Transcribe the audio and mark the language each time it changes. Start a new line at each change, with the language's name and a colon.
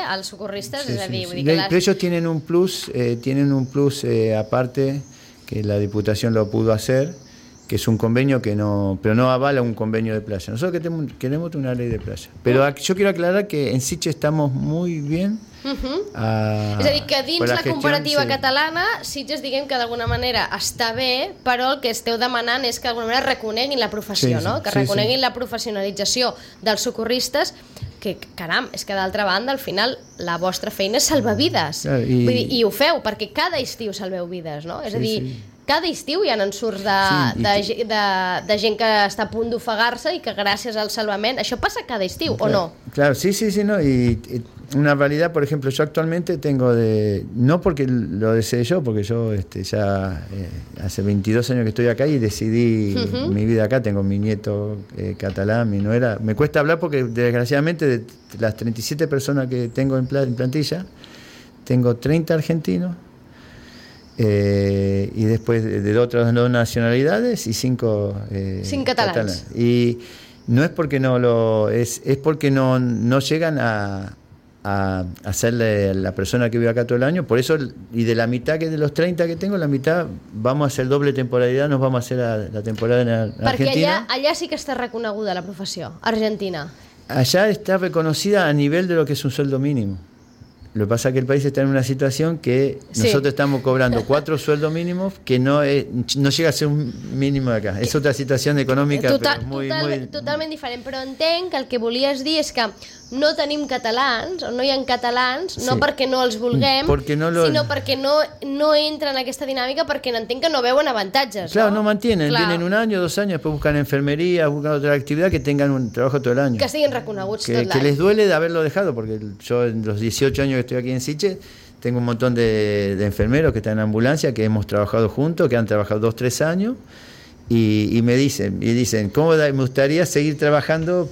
Spanish: Al socorrista, sí, es, sí, decir, sí, que los precios tienen un plus aparte, que la Diputación lo pudo hacer, que es un convenio que no, pero no avala un convenio de playa. Nosotros que tenemos, queremos una ley de playa. Pero yo quiero aclarar que en Sitges estamos muy bien.
Catalan: És a dir, que dins la comparativa catalana, Sitges, diguem que d'alguna manera està bé, però el que esteu demanant és que d'alguna manera reconeguin la professió, sí, sí, no? Que reconeguin la professionalització dels socorristes, que caram, és que d'altra banda, al final, la vostra feina és salvar vides. Vull dir, i ho feu, perquè cada estiu salveu vides, no? És a dir, cada estiu hi ha ensurts de gent que està a punt d'ofegar-se i que gràcies al salvament... Això passa cada estiu, claro, o no?
Spanish: Claro, sí, sí, sí, no, i una realidad, por ejemplo, yo actualmente tengo de... No porque lo desee yo, porque yo ya hace 22 años que estoy acá y decidí mi vida acá. Tengo mi nieto catalán, mi nuera. Me cuesta hablar porque, desgraciadamente, de las 37 personas que tengo en plantilla, tengo 30 argentinos y después de otras dos nacionalidades y cinco catalanes. Y no es porque no lo... Es porque no llegan a hacerle la persona que vive acá todo el año, por eso, y de la mitad que de los 30 que tengo, la mitad vamos a hacer doble temporalidad, nos vamos a hacer la temporada en Argentina.
Catalan: Perquè allà sí que està reconeguda la professió, Argentina.
Spanish: Allá está reconocida a nivel de lo que es un sueldo mínimo. Lo que pasa es que el país está en una situación que nosotros estamos cobrando 4 sueldos mínimos que no llega a ser un mínimo acá. Es otra situación económica
Catalan: totalment diferent, però entenc que el que volies dir és que no tenim catalans, o no hi ha catalans, no perquè no els vulguem, sinó perquè no entren en aquesta dinàmica, perquè entenc que no veuen avantatges.
Spanish: Claro, no mantienen. Claro. Vienen
Catalan: un any o dos anys, després
Spanish: buscan enfermeria, buscan otra actividad, que tengan un trabajo todo el año.
Catalan: Que siguin reconeguts tot l'any.
Spanish: Que les duele de haberlo dejado, porque yo en los 18 años que estoy aquí en Sitges, tengo un montón de enfermeros que están en ambulancia, que hemos trabajado juntos, que han trabajado 2-3 años, y me dicen, ¿cómo me gustaría seguir trabajando?